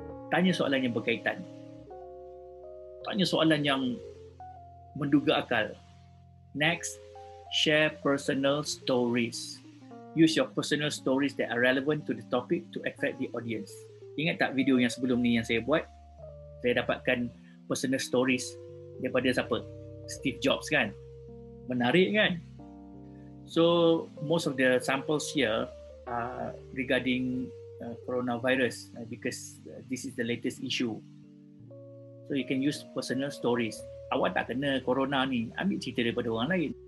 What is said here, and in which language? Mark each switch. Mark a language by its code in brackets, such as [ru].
[ms] Tanya soalan yang berkaitan. Tanya soalan yang menduga akal. [en] Next, share personal stories. Use your personal stories that are relevant to the topic to attract the audience. [ms] Ingat tak video yang sebelum ni yang saya buat? Saya dapatkan personal stories daripada siapa? Steve Jobs kan? Menarik kan? [en] So, most of the samples here are regarding coronavirus because this is the latest issue. So, you can use personal stories. [ms] Awak tak kena corona ni, ambil cerita daripada orang lain.